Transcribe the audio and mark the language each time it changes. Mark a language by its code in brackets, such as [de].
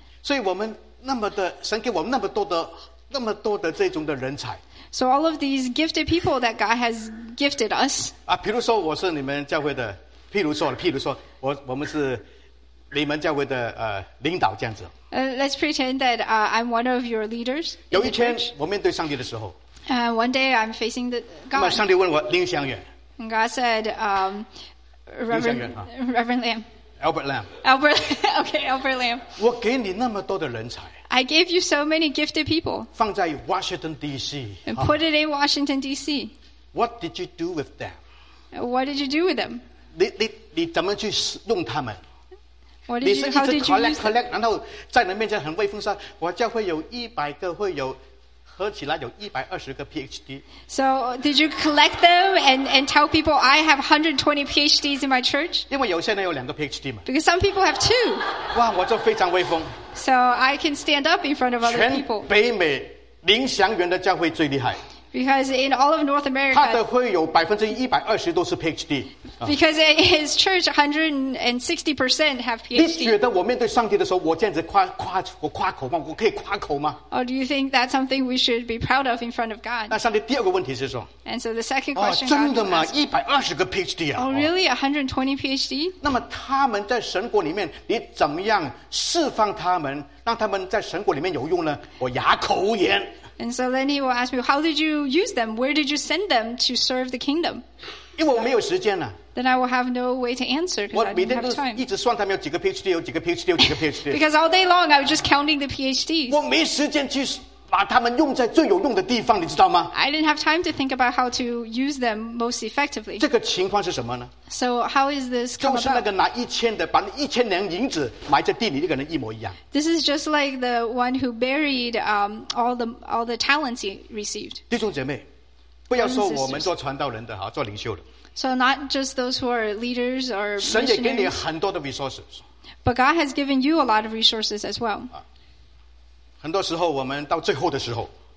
[zh] 所以我们那么的神给我们那么多的这种的人才。 [en] So all of these gifted people that God has gifted us. [zh] 啊，比如说我是你们教会的，譬如说我们是你们教会的领导这样子。 [en] Let's pretend that I'm one of your leaders. [zh] 有一天我面对上帝的时候。 [en] One day I'm facing the God. [zh] 那么上帝问我林祥远。 [en] And God said, Reverend Lam. Albert Lam. Albert Lam. [zh] 我给你那么多的人才。 [en] I gave you so many gifted people. [zh] 放在 Washington, D.C. [en] And put it in Washington, D.C. What did you do with them? What did you do with them? [zh] 你怎么去用他们？ [en] What did you, [zh] 你是一直 collect 然后在人面前很威风说，我教会有100个会有合起来有120个 PhD. [en] So did you collect them and tell people I have 120 PhDs in my church? [zh] 因为有些人有两个 PhD 嘛。 [en] Because some people have two. [zh] 哇，我就非常威风。 [en] So I can stand up in front of other people. [zh] 全北美林祥远的教会最厉害。 [en] Because in all of North America, [zh] 他的会有120%都是 PhD. [en] Because in his church, 160% have PhD. [zh] 你觉得我面对上帝的时候，我这样子夸口吗？我可以夸口吗 [en] ？Or do you think that's something we should be proud of in front of God? [zh] 那上帝第二个问题是说 [en] ，And so the second question. [zh] 真的吗？120个 PhD 啊 [en] ？Oh, really? 120 PhD? [zh] 那么他们在神国里面，你怎么样释放他们，让他们在神国里面有用呢？我哑口无言。 [en] And so then he will ask me, how did you use them? Where did you send them to serve the kingdom? [zh] 因为我没有时间了。 [en] Then I will have no way to answer because I don't have time. [zh] 我每天都一直算他们有几个 PhD, 有几个 PhD, 有几个 PhD. [en] Because all day long I was just counting the PhDs. [zh] 我没时间去把他们用在最有用的地方，你知道吗？ [en] I didn't have time to think about how to use them most effectively. [zh] 这个情况是什么呢？ [en] So how is this come about? [zh] 就是那个拿1000两银子埋在地里那个人一模一样。 [en] This is just like the one who buried all the talents he received. [zh] 弟兄姐妹，不要说我们做传道人的哈，做领袖的。 [en] So not just those who are leaders or missionaries. [zh] 神也给你很多的 resources. [en] But God has given you a lot of resources as well. [zh] 很多时候我们到最后的时候